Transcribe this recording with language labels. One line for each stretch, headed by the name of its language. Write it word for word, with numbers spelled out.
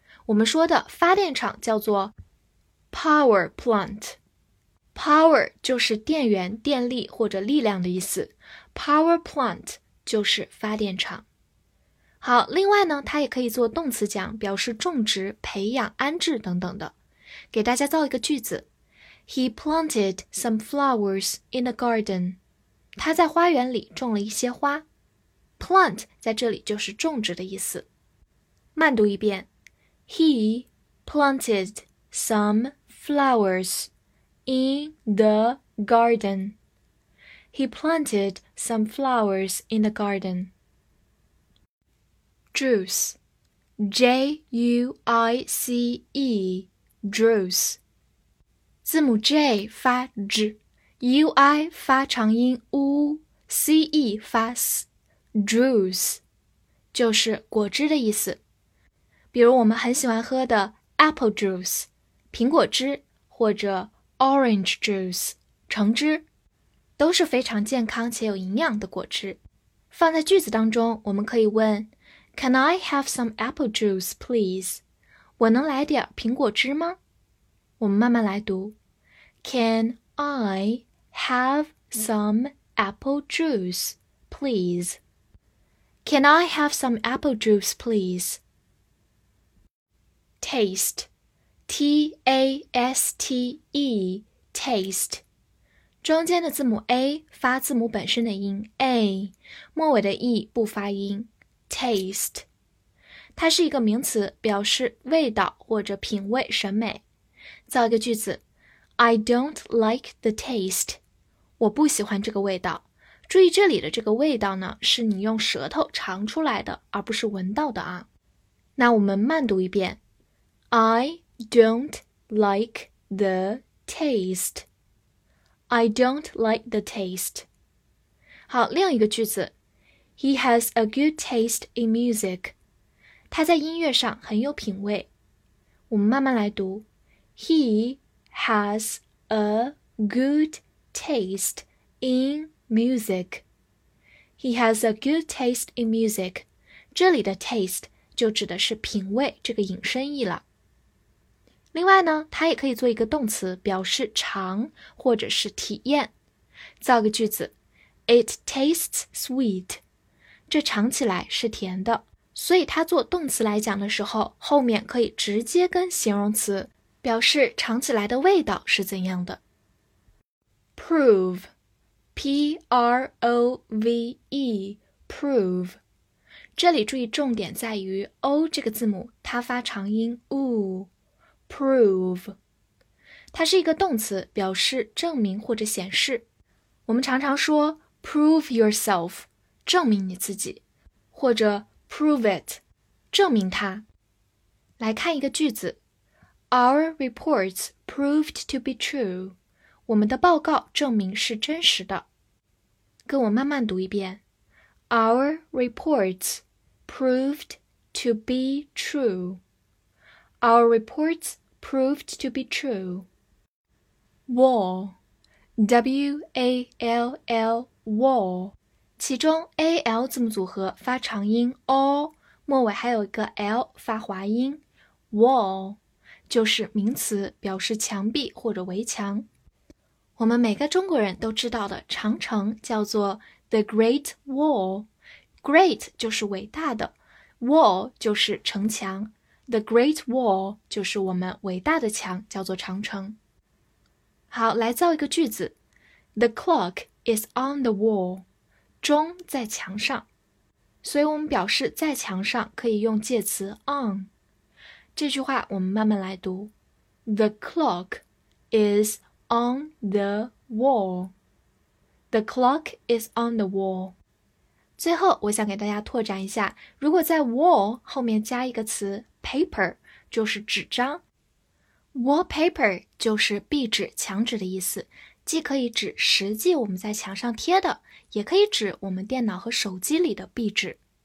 Chinese: 我们说的发电厂叫做 power plant。 power 就是电源、电力或者力量的意思。 power plant 就是发电厂。好，另外呢，它也可以做动词讲，表示种植、培养、安置等等的。给大家造一个句子
English: ：He planted some flowers in the garden。
Chinese: 他在花园里种了一些花。Plant 在这里就是种植的意思。慢读一遍
English: ：He planted some flowers in the garden. He planted some flowers in the garden. Juice, J U I C E, juice.
Chinese: 字母 J 发 J, U I 发长音 U, C E 发 S。 Juice 就是果汁的意思，比如我们很喜欢喝的 apple juice 苹果汁，或者 orange juice 橙汁，都是非常健康且有营养的果汁。放在句子当中，我们可以问
English: Can I have some apple juice please?
Chinese: 我能来点苹果汁吗？我们慢慢来读
English: Can I have some apple juice please? Can I have some apple juice, please? Taste, T A S T E, taste.
Chinese: 中间的字母 a 发字母本身的音 a， 末尾的 e 不发音。 Taste， 它是一个名词，表示味道或者品味、审美。造一个句子
English: ：I don't like the taste.
Chinese: 我不喜欢这个味道。注意这里的这个味道呢，是你用舌头尝出来的，而不是闻到的啊。那我们慢读一遍
English: I don't like the taste. I don't like the taste.
Chinese: 好，另一个句子
English: He has a good taste in music.
Chinese: 他在音乐上很有品味。我们慢慢来读
English: He has a good taste in music. He has a good taste in music.
Chinese: 这里的 taste 就指的是品味这个引申义了。另外呢，它也可以做一个动词，表示尝或者是体验。造个句子
English: It tastes sweet.
Chinese: 这尝起来是甜的。所以它做动词来讲的时候，后面可以直接跟形容词，表示尝起来的味道是怎样的。
English: Prove P R O V E, prove.
Chinese: 这里注意重点在于 o 这个字母，它发长音 u, prove. 它是一个动词，表示证明或者显示。我们常常说
English: prove yourself,
Chinese: 证明你自己，或者
English: prove it,
Chinese: 证明它。来看一个句子
English: Our reports proved to be true.
Chinese: 我们的报告证明是真实的。跟我慢慢读一遍
English: Our reports proved to be true. Our reports proved to be true. Wall, W A L L, wall.
Chinese: 其中 A L 字母组合发长音 O， 末尾还有一个 L 发滑音。 Wall 就是名词，表示墙壁或者围墙。我们每个中国人都知道的长城叫做 The Great Wall， Great 就是伟大的 ，Wall 就是城墙 ，The Great Wall 就是我们伟大的墙，叫做长城。好，来造一个句子
English: ：The clock is on the wall。
Chinese: 钟在墙上，所以我们表示在墙上可以用介词 on。这句话我们慢慢来读
English: ：The clock is on the wall。 The clock is on the wall。
Chinese: 最后，我想给大家拓展一下，如果在 wall 后面加一个词 paper， 就是纸张。 Wallpaper 就是壁纸、墙纸的意思，既可以指实际我们在墙上贴的，也可以指我们电脑和手机里的壁纸。